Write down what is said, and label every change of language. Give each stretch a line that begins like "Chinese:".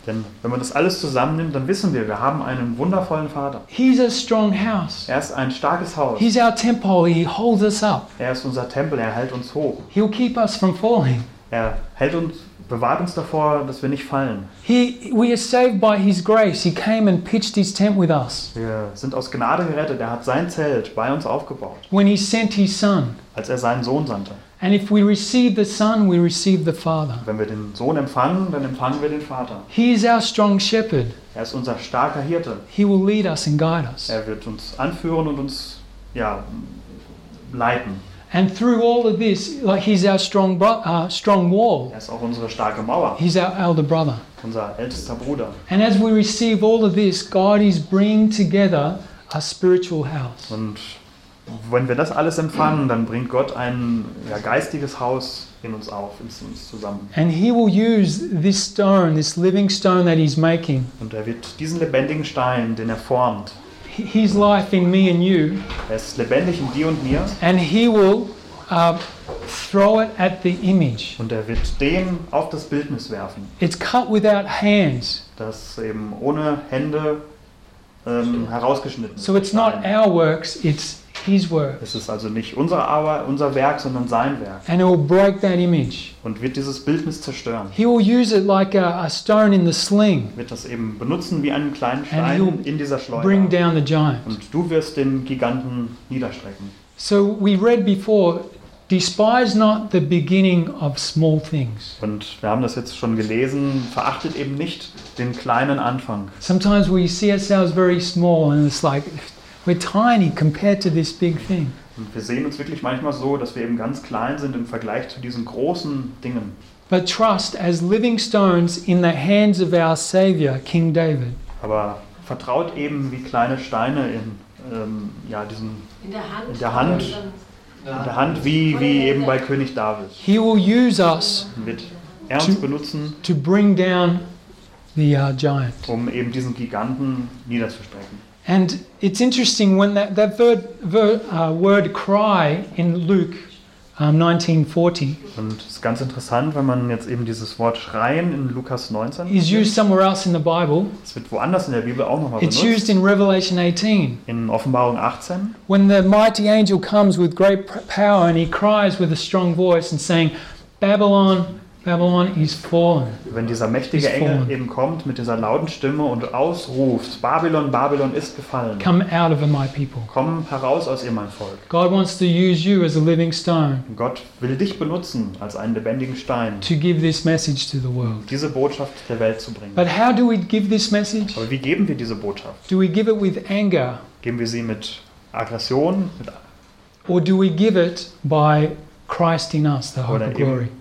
German: Denn wenn man das alles zusammennimmt, dann wissen wir haben einen wundervollen Vater.
English: He's a strong house.
German: Er ist ein starkes Haus.
English: He's our temple. He holds us up.
German: Er ist unser Tempel. Er hält uns hoch.
English: He'll keep us from falling.
German: Er hält uns, bewahrt uns davor, dass wir nicht fallen.
English: We are saved by His grace. He came and pitched His tent with us.
German: Wir sind aus Gnade gerettet. Er hat sein Zelt bei uns aufgebaut.
English: When He sent His Son.
German: Als er seinen Sohn sandte.
English: And if we receive the Son, we receive the Father.
German: Wenn wir den Sohn empfangen, dann empfangen wir den Vater.
English: He is our strong shepherd.
German: Er ist unser starker Hirte.
English: He will lead us and guide us.
German: Er wird uns anführen und uns ja leiten.
English: And through all of this, like he's our strong strong wall.
German: Er ist auch unsere starke Mauer.
English: He's our elder brother.
German: Unser ältester Bruder.
English: And as we receive all of this, God is bringing together a spiritual house.
German: Und wenn wir das alles empfangen, dann bringt Gott ein ja, geistiges Haus in uns auf, in uns zusammen.
English: And he will use this stone, this living stone that he's making.
German: Und er wird diesen lebendigen Stein, den er formt,
English: his life in me and you.
German: Er ist lebendig in dir und mir.
English: And he will throw it at the image.
German: Und er wird den auf das Bildnis werfen.
English: It's cut without hands.
German: Das eben ohne Hände herausgeschnitten.
English: So it's not our works, it's his work.
German: Es ist also nicht unsere Arbeit, unser Werk, sondern sein Werk.
English: And it will break that image.
German: Und wird dieses Bildnis zerstören.
English: He will use it like a stone in the sling.
German: Wird das eben benutzen wie einen kleinen Stein in dieser Schleuder.
English: Bring down the giant.
German: Und du wirst den Giganten niederstrecken.
English: So we read before, despise not the beginning of small things.
German: Und wir haben das jetzt schon gelesen, verachtet eben nicht den kleinen Anfang.
English: Sometimes we see ourselves very small and it's like we're tiny compared to this big thing.
German: Und wir sehen uns wirklich manchmal so, dass wir eben ganz klein sind im Vergleich zu diesen großen Dingen.
English: But trust as living stones in the hands of our Savior, King David.
German: Aber vertraut eben wie kleine Steine in ja diesen in der Hand wie eben bei König David.
English: He will use us
German: mit Ernst to, benutzen,
English: to bring down the giant.
German: Um eben diesen Giganten niederzustrecken.
English: And it's interesting when that word cry in Luke 1940.
German: Und es ist ganz interessant, wenn man jetzt eben dieses Wort schreien in Lukas 19.
English: Is used somewhere else in the Bible.
German: Es wird woanders in der Bibel auch nochmal benutzt.
English: It's used in Revelation 18.
German: In Offenbarung 18.
English: When the mighty angel comes with great power and he cries with a strong voice and saying, Babylon, Babylon is fallen.
German: Wenn dieser mächtige Engel eben kommt mit dieser lauten Stimme und ausruft, Babylon, Babylon ist gefallen.
English: Come out of my people.
German: Komm heraus aus ihr, mein Volk.
English: God wants to use you as a living stone.
German: Gott will dich benutzen als einen lebendigen Stein.
English: To give this message to the world.
German: Diese Botschaft der Welt zu bringen.
English: But how do we give this message?
German: Aber wie geben wir diese Botschaft?
English: Do we give it with anger?
German: Geben wir sie mit Aggression?
English: Or do we give it by Christ in us, the hope of glory?